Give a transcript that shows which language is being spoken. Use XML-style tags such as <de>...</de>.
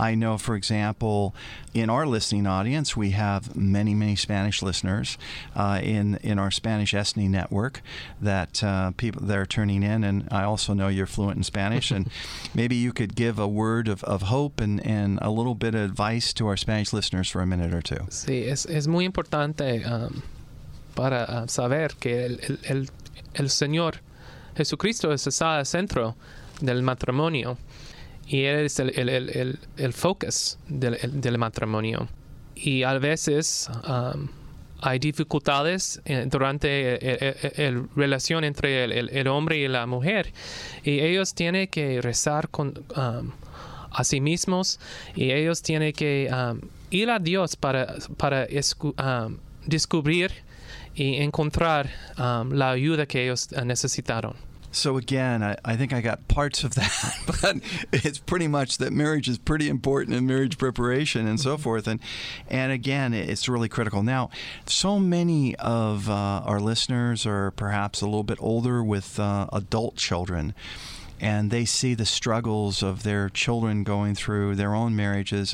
<en>I know, for example, in our listening audience, we have many, many Spanish listeners in our Spanish Ethne network that people that are turning in. And I also know you're fluent in Spanish. And maybe you could give a word of hope and a little bit of advice to our Spanish listeners for a minute or two.</en> <es>Sí, es muy importante para saber que el Señor Jesucristo es el centro del matrimonio y Él es el focus del matrimonio. Y a veces hay dificultades durante la relación entre el hombre y la mujer, y ellos tienen que rezar con a sí mismos, y ellos tienen que ir a Dios para descubrir y encontrar la ayuda que ellos necesitaron.</es> <en>So again, I think I got parts of that, but it's pretty much that marriage is pretty important in marriage preparation and so forth. And again, it's really critical. Now, so many of our listeners are perhaps a little bit older with adult children, and they see the struggles of their children going through their own marriages.</en>